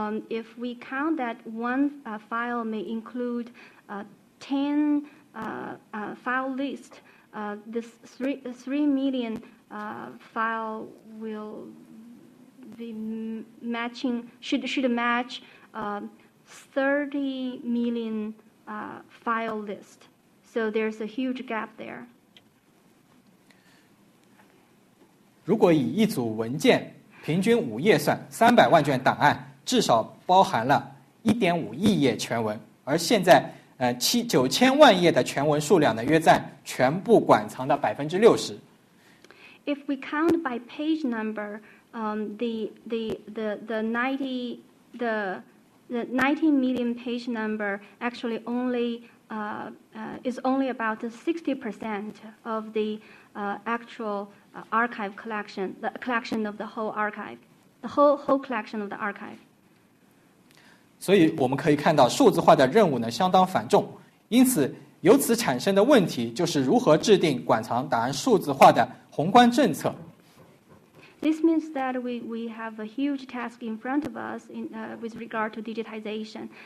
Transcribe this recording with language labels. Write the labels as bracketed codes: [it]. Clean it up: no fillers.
[en] If we count that one file may include 10 file list, this 3 million file will be matching should match 30 million file list. So there's a huge gap there. [zh] 如果以一组文件平均5页算，300万卷档案至少包含了1.5亿页全文，而现在9000万页的全文数量呢，约占全部馆藏的60%。 [en] If we count by page number, the 90 million page number actually only. Is only about 60% of the actual archive collection, the collection of the whole archive, the whole collection of the archive. [zh] 所以我们可以看到数字化的任务呢相当繁重，因此由此产生的问题就是如何制定馆藏档案数字化的宏观政策。 [en] This means that we have a huge task in front of us in, with regard to digitization.